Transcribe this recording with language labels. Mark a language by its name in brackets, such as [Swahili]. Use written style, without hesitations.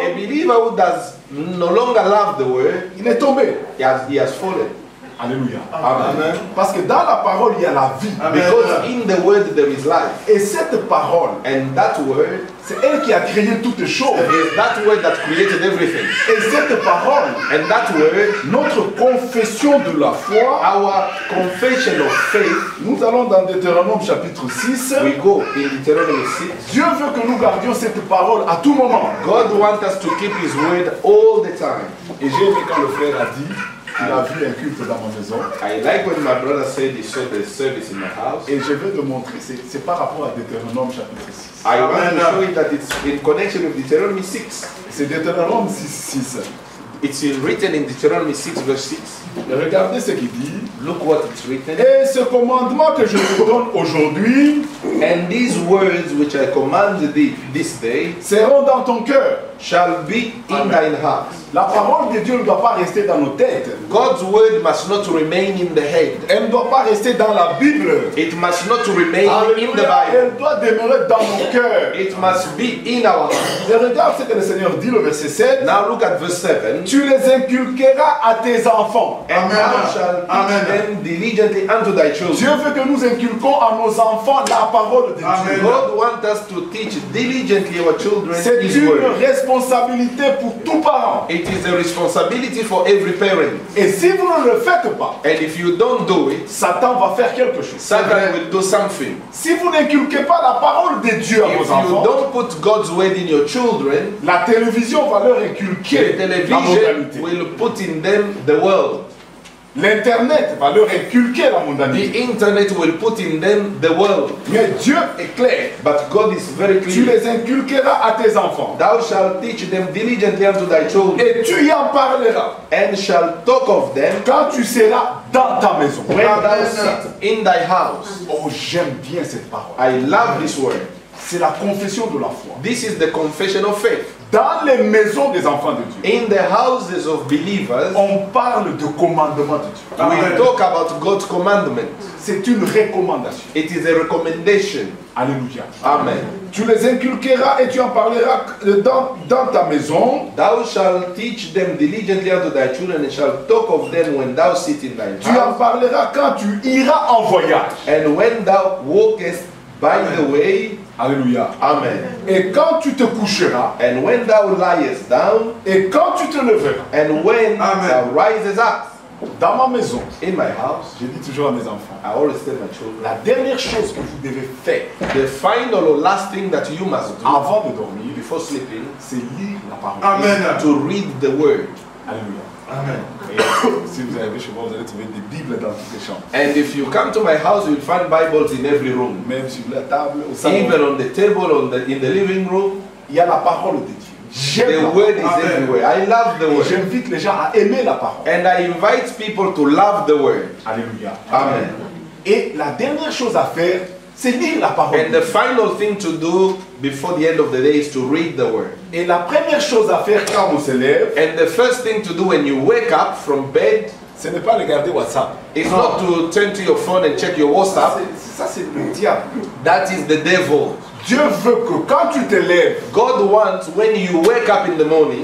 [English] a believer who does no longer love the word, [French] il est tombé. [English] He has fallen. [French] Alléluia. [English] Amen. Amen. [French] Parce que dans la parole il y a la vie. [English] Amen. Because in the word there is life. [French] Et cette parole, [English] and that word, [French] c'est elle qui a créé toutes choses. [English] It's that word that created everything. [French] Et cette parole, [English] and that word, [French] notre confession de la foi, [English] our confession of faith. [French] Nous allons dans Deutéronome chapitre 6. [English] We go in Deutéronome 6. [French] Dieu veut que nous gardions cette parole à tout moment. [English] God wants us to keep His word all the time. [French] Et j'ai aimé quand le frère a dit. Il a vu un culte dans ma maison. [English] I like when my brother said he saw the service in my house. [French] Et je veux te montrer, c'est par rapport à Deutéronome chapitre 6. [English] I want to show you that it's in connection with Deuteronomy 6. [French] C'est Deutéronome 6. [English] It's written in Deuteronomy 6 verse 6. [French] Et regardez ce qu'il dit. [English] Look what it's written. [French] Et ce commandement que je te donne aujourd'hui. [English] And these words which I command thee this day. [French] Seront dans ton cœur. [English] Shall be in thine heart. [French] La parole de Dieu ne doit pas rester dans nos têtes. [English] God's word must not remain in the head. [French] Elle ne doit pas rester dans la Bible. [English] It must not remain in the Bible. [French] Elle doit demeurer dans nos cœurs. [English] It must be in our heart. [French] Et regarde ce que le Seigneur dit, le verset 7. [English] Now look at verse 7. [French] Tu les inculqueras à tes enfants. [English] And Amen. Thou shalt teach them diligently unto thy children. [French] Dieu veut que nous inculquons à nos enfants la parole de Dieu. [English] Amen. God wants us to teach diligently our children [French] c'est [English] His word. [French] C'est une responsabilité pour tout parent. [English] It is a responsibility for every parent. [French] Et si vous ne le faites pas, [English] and if you don't do it, [French] Satan va faire quelque chose. [English] Satan will do something. [French] Si vous n'inculquez pas la parole de Dieu à [English] if [French] vos enfants, [English] if you don't put God's word in your children, [French] la télévision va leur inculquer la mentalité. [English] The television will put in them the world. [French] L'internet va leur inculquer la mondanité. [English] The internet will put in them the world. [French] Mais Dieu est clair. [English] But God is very clear. [French] Tu les inculqueras à tes enfants. [English] Thou shalt teach them diligently unto thy children. [French] Et tu y en parleras. [English] And shall talk of them. [French] Quand tu seras dans ta maison. [English] When thou sit in thy house. [French] Oh, j'aime bien cette parole. [English] I love this word. [French] C'est la confession de la foi. [English] This is the confession of faith. [French] Dans les maisons des enfants de Dieu. [English] In the houses of believers. [French] On parle de commandement de Dieu. [English] We talk about God's commandment. [French] C'est une recommandation. [English] It is a recommendation. [French] Alléluia. [English] Amen. [French] Tu les inculqueras et tu en parleras dans ta maison. [English] Thou shalt teach them diligently unto thy children and shalt talk of them when thou sit in thy house. [French] Tu en parleras quand tu iras en voyage. [English] And when thou walkest by Amen. The way. [French] Alléluia. [English] Amen. [French] Et quand tu te coucheras, [English] and when thou liest down, [French] et quand tu te leveras, [English] and when Amen. Thou rises up, [French] dans ma maison, [English] in my house, [French] je dis toujours à mes enfants, [English] I always tell my children, [French] la dernière chose que vous devez faire, [English] the final or last thing that you must do, [French] avant de dormir, [English] before sleeping, [French] c'est lire la parole, [English] Amen. To read the word. [French] Alléluia. [English] Amen. [French] Si vous arrivez chez moi, vous allez trouver des Bibles dans toutes les chambres. [English] And if you come to my house, you'll find Bibles in every room. [French] Même sur la table, au salon. [English] Even on the table, in the living room, [French] il y a la parole de Dieu. [English] The word is Amen. Everywhere. I love the word. [French] J'invite les gens à aimer la parole. [English] And I invite people to love the word. [French] Alléluia. [English] Amen. [French] Et la dernière chose à faire, c'est lire la parole. [English] And the final thing to do before the end of the day is to read the word. [French] Et la première chose à faire quand on se lève, [English] and the first thing to do when you wake up from bed, [French] ce n'est pas regarder WhatsApp. [English] It's not to turn to your phone and check your WhatsApp. [French] Ça c'est le diable. [English] That is the devil. [French] Dieu veut que quand tu te lèves, [English] God wants when you wake up in the morning,